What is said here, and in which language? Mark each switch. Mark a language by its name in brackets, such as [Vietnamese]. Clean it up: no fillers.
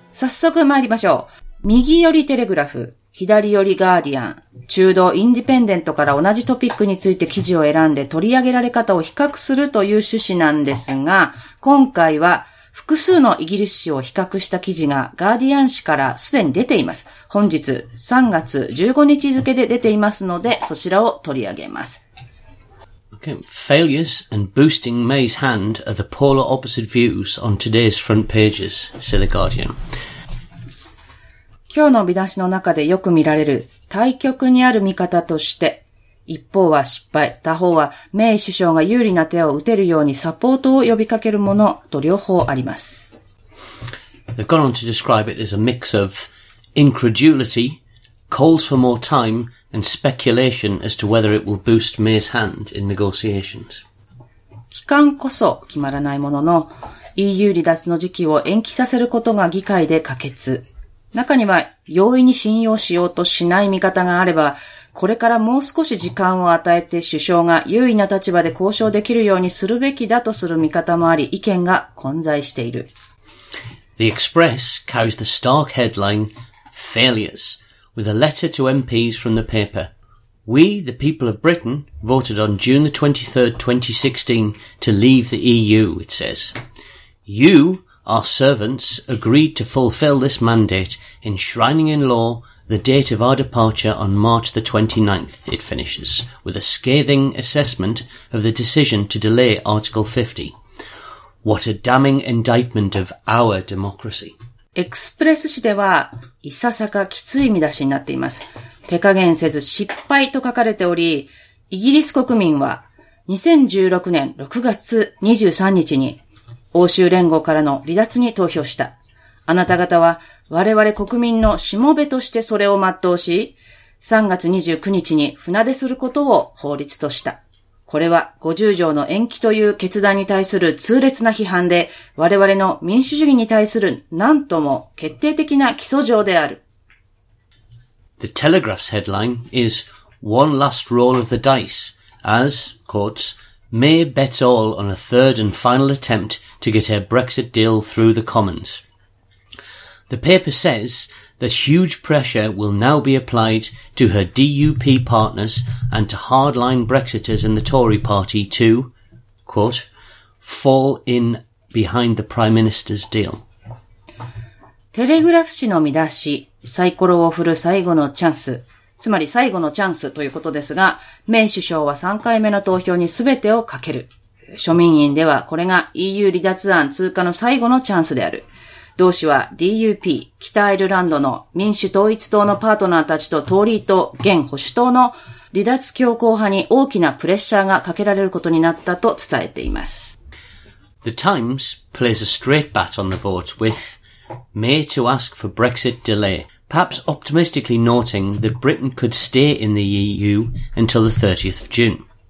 [Japanese] 早速参りましょう。右寄りテレグラフ、左寄りガーディアン、中道インディペンデントから同じトピックについて記事を選んで取り上げられ方を比較するという趣旨なんですが、今回は複数のイギリス紙を比較した記事がガーディアン紙からすでに出ています。本日3月15日付で出ていますので、そちらを取り上げます。 [English] Okay. Failures and boosting May's hand are the polar opposite views on today's front pages, said the Guardian. [Japanese] 今日の見出しの中でよく見られる対極にある見方として、一方は失敗、他方はメイ首相が有利な手を打てるようにサポートを呼びかけるものと両方あります。 [English] They've gone on to describe it as a mix of incredulity, calls for more time, and speculation as to whether it will boost May's hand in negotiations. [Japanese] 期間こそ決まらないものの、EU 離脱の時期を延期させることが議会で可決。中には容易に信用しようとしない見方があれば、これからもう少し時間を与えて首相が優位な立場で交渉できるようにするべきだとする見方もあり、意見が混在している。 [English] The Express carries the stark headline, Failures, with a letter to MPs from the paper. We, the people of Britain, voted on June the 23rd, 2016 to leave the EU, it says. You, our servants, agreed to fulfill this mandate, enshrining in law,The date of our departure on March the 29th, it finishes, with a scathing assessment of the decision to delay Article 50. What a damning indictment of our democracy. [Japanese] エクスプレス紙では、いささかきつい見出しになっています。手加減せず失敗と書かれており、イギリス国民は2016年6月23日に欧州連合からの離脱に投票した。あなた方は、我々国民のしもべとしてそれを全うし、3月29日に船出することを法律とした。これは50条の延期という決断に対する痛烈な批判で、我々の民主主義に対する何とも決定的な基礎条である。 [English] The Telegraph's headline is One Last Roll of the Dice, as, quotes, May bets all on a third and final attempt to get her Brexit deal through the Commons. The paper says that huge pressure will now be applied to her DUP partners and to hardline Brexiters in the Tory party to, quote, fall in behind the Prime Minister's deal. [Japanese] テレグラフ紙の見出し、サイコロを振る最後のチャンス、つまり最後のチャンスということですが、メイ首相は3回目の投票に全てをかける。庶民院ではこれが EU 離脱案通過の最後のチャンスである。同氏は DUP、北アイルランドの民主統一党のパートナーたちとトーリー党、現保守党の離脱強硬派に大きなプレッシャーがかけられることになったと伝えています。 [English] The Times plays a straight bat on the vote with May to ask for Brexit delay, perhaps optimistically noting that Britain could stay in the EU until the 30th of June.